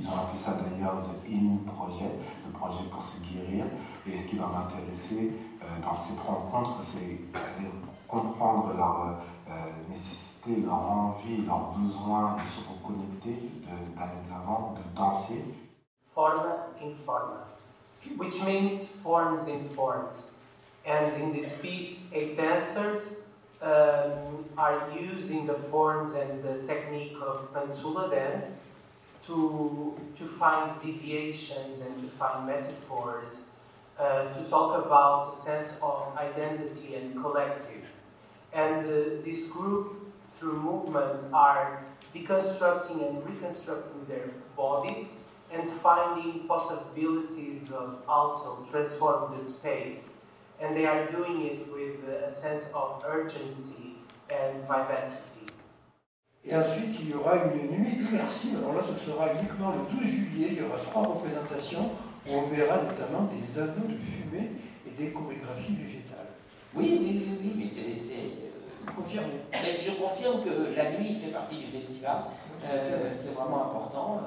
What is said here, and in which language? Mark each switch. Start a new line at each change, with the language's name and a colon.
French: Ils ont appelé ça d'ailleurs The In Project, le projet pour se guérir. Et ce qui va m'intéresser dans cette rencontre, c'est de comprendre leur nécessité, leur envie, leur besoin de se reconnecter, d'aller de l'avant, de danser.
English: Forma in forma, which means forms in forms. And in this piece, 8 dancers are using the forms and the technique of Pantula dance to find deviations and to find metaphors. To talk about a sense of identity and collective. And this group, through movement, are deconstructing and reconstructing their bodies and finding possibilities of also transforming the space. And they are doing it with a sense of urgency and vivacity.
French: Et ensuite, il y aura une nuit immersive. Alors là, ce sera uniquement le 12 juillet. Il y aura 3 représentations. On verra notamment des anneaux de fumée et des chorégraphies végétales. Oui, mais c'est... Confirmé. Mais je confirme que la nuit fait partie du festival. C'est vraiment important.